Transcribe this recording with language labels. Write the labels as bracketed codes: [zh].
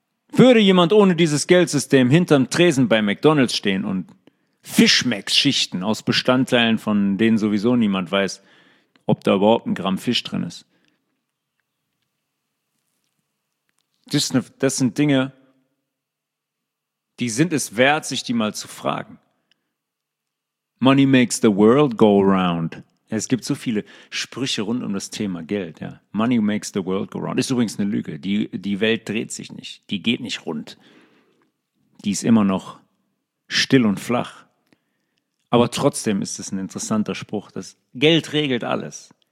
[de] Würde jemand ohne dieses Geldsystem hinterm Tresen bei McDonald's stehen und Fischmecks schichten aus Bestandteilen, von denen sowieso niemand weiß, ob da überhaupt ein Gramm Fisch drin ist? Das sind Dinge, die sind es wert, sich die mal zu fragen. [en] Money makes the world go round. [de] Es gibt so viele Sprüche rund um das Thema Geld. Ja. [en] Money makes the world go round. [de] Ist übrigens eine Lüge. Die Welt dreht sich nicht. Die geht nicht rund. Die ist immer noch still und flach. Aber trotzdem ist es ein interessanter Spruch, dass Geld regelt alles.